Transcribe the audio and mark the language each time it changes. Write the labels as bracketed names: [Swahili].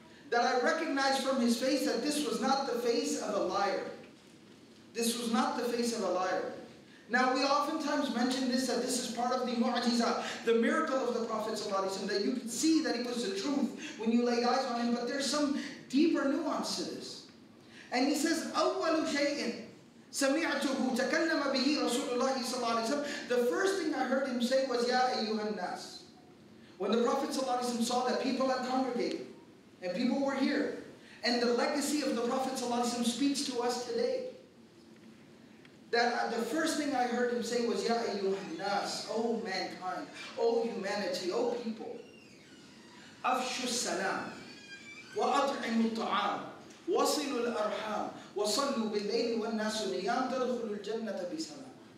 [English] That I recognized from his face that this was not the face of a liar. This was not the face of a liar. Now we oftentimes mention this, that this is part of the mu'jiza, the miracle of the Prophet ﷺ, that you could see that he was the truth when you laid eyes on him, but there's some deeper nuance to this. And he says, [Arabic] أَوَّلُ شَيْءٍ سَمِعْتُهُ تَكَلَّمَ بِهِ رَسُولُ اللَّهِ صَلَّى اللَّهِ عَلَيْهِ وَسَلَّمَ. [English] The first thing I heard him say was, [Arabic] يَا أَيُّهَا النَّاسِ. [English] When the Prophet ﷺ saw that people had congregated, and people were here, and the legacy of the Prophet ﷺ speaks to us today, that the first thing I heard him say was, يَا أَيُّهَا النَّاسِ, O mankind, O humanity, O people, [Arabic] أَفْشُ السَّلَامِ وَأَطْعِمُ الطَّعَامِ وَصِلُوا الْأَرْحَامِ وَصَلُّوا بِاللَّيْلِ وَالنَّاسُ نِيَامِ تَدْخُلُوا الْجَنَّةَ بِسَلَامِ.